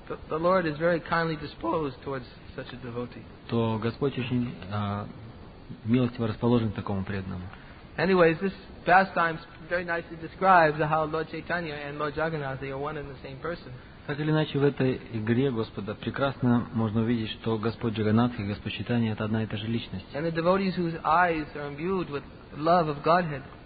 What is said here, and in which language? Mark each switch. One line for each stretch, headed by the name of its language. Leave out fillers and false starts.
English: the Lord is very kindly disposed towards such a devotee.
Russian: То Господь очень милостиво расположен к такому преданному.
English: Anyways, this pastime very nicely describes how Lord Chaitanya and Lord Jagannath, they are one and the same person.
Russian: Так или иначе, в этой игре Господа прекрасно можно увидеть, что Господь Джаганнат и Господь Чайтанья это одна и та же личность.
English: And the devotees whose eyes are imbued with love of Godhead.